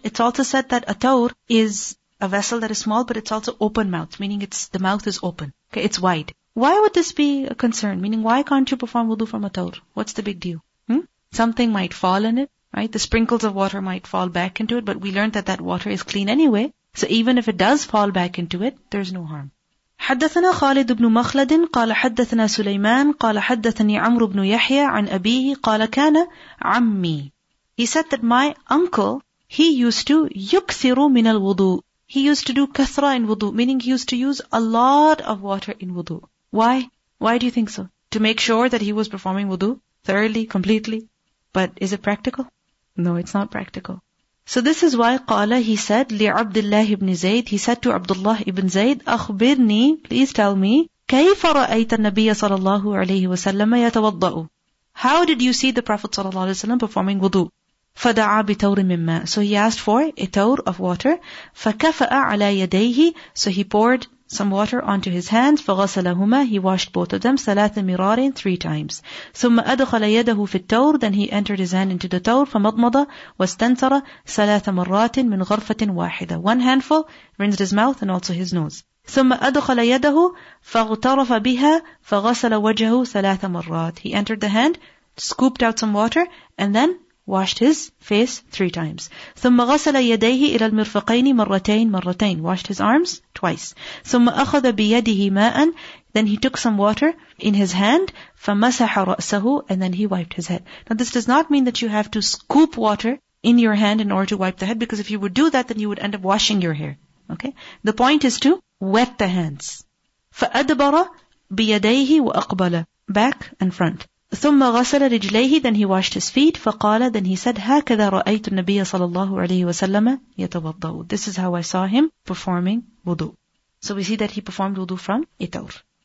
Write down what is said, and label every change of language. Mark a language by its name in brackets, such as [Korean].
[English] It's also said that a tawr is a vessel that is small, but it's also open mouth, meaning it's the mouth is open. Okay, it's wide. Why would this be a concern? Meaning, why can't you perform wudu from a tawr? What's the big deal? Something might fall in it, right? The sprinkles of water might fall back into it, but we learned that that water is clean anyway. So even if it does fall back into it, there's no harm. [Arabic] حدثنا خالد بن مخلد قال حدثنا سليمان قال حدثني عمرو بن يحيى عن أبيه قال كان عمي. [English] He said that my uncle, he used to [Arabic] يكثر من الوضوء. [English] He used to do كثرة in wudu, meaning he used to use a lot of water in wudu. Why? Why do you think so? To make sure that he was performing wudu thoroughly, completely. But is it practical? No, it's not practical. So this is why قال, he said, لِعَبْدِ ibn Zayd, he said to Abdullah ibn Zayd, أخبرني, please tell me, [Arabic] كيف رأيت النبي صلى الله عليه وسلم يتوضأ? [English] How did you see the Prophet صلى الله عليه وسلم performing wudu? [Arabic] فدعا بتور من ماء. [English] So he asked for a tawr of water. [Arabic] فكفأ على يديه. [English] So he poured some water onto his hands. فغسلهما. He washed both of them. [Arabic] ثلاث مرار, [English] three times. [Arabic] ثم أدخل يده في التور. [English] Then he entered his hand into the tawr. [Arabic] فمضمض واستنثر ثلاث مرات من غرفة واحدة. [English] One handful, rinsed his mouth and also his nose. [Arabic] ثم أدخل يده فاغترف بها فغسل وجهه ثلاث مرات. [English] He entered the hand, scooped out some water, and then washed his face 3 times. [Arabic] ثم غسل يديه إلى المرفقين مرتين مرتين. [English] Washed his arms twice. [Arabic] ثم أخذ بيده ماء. [English] Then he took some water in his hand. [Arabic] فمسح رأسه. [English] And then he wiped his head. Now this does not mean that you have to scoop water in your hand in order to wipe the head, because if you would do that, then you would end up washing your hair. Okay? The point is to wet the hands. [Arabic] فأدبر بيديه وأقبل. [English] Back and front. [Arabic] ثم غسل رجليه, [English] then he washed his feet. [Arabic] فقال, [English] then he said, [Arabic] هكذا رأيت النبي صلى الله عليه وسلم يتوضأ. [English] This is how I saw him performing wudu. So we see that he performed wudu from itawr.